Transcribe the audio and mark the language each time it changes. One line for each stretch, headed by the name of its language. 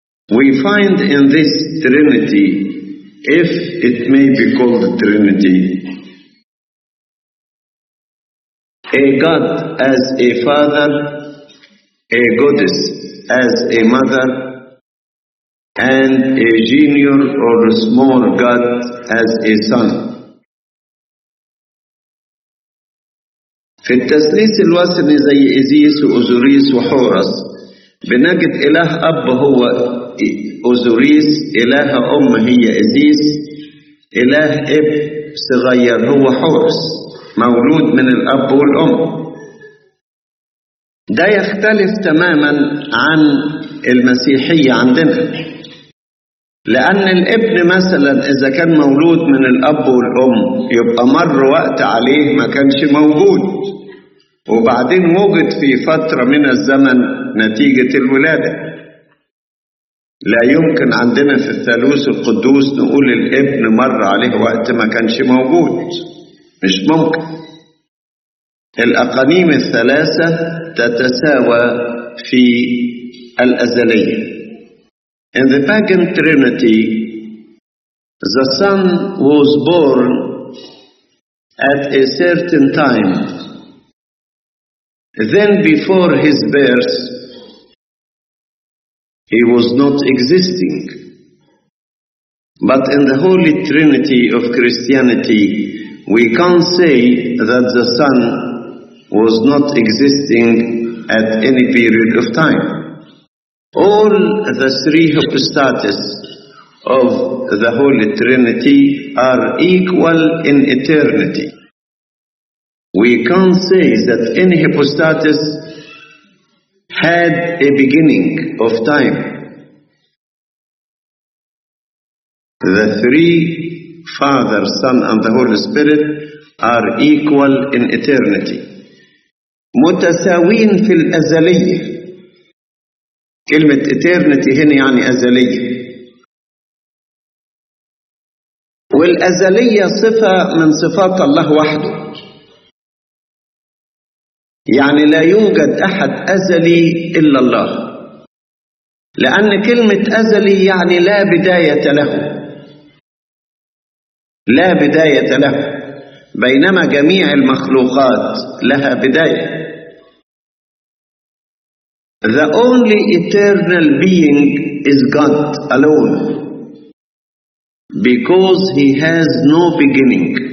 English: We find in this trinity, if it may be called trinity, a god as a father, a goddess as a mother, and a junior or small god as a son.
Arabic: في التثليث الوثني زي إزيس وأوزوريس وحورس بنجد إله أب هو أوزوريس، إله أم هي إزيس، إله إب صغير هو حورس، مولود من الأب والأم. ده يختلف تماما عن المسيحية عندنا، لأن الابن مثلا إذا كان مولود من الأب والأم يبقى مر وقت عليه ما كانش موجود، وبعدين وجد في فترة من الزمن نتيجة الولادة. لا يمكن عندنا في الثالوث القدوس نقول الابن مر عليه وقت ما كانش موجود، مش ممكن. الأقانيم الثلاثة تتساوى في الأزلية.
English: In the pagan trinity, the son was born at a certain time. Then before his birth, he was not existing. But in the Holy Trinity of Christianity, we can't say that the son was not existing at any period of time. All the three hypostases of the Holy Trinity are equal in eternity. We can't say that any hypostasis had a beginning of time. The three, Father, Son, and the Holy Spirit, are equal in eternity.
Arabic: متساوين في الأزلية. كلمة eternity هنا يعني أزلية. والأزلية صفة من صفات الله وحده. يعني لا يوجد أحد أزلي إلا الله، لأن كلمة أزلي يعني لا بداية له، لا بداية له، بينما جميع المخلوقات لها بداية.
English: The only eternal being is God alone, because he has no beginning.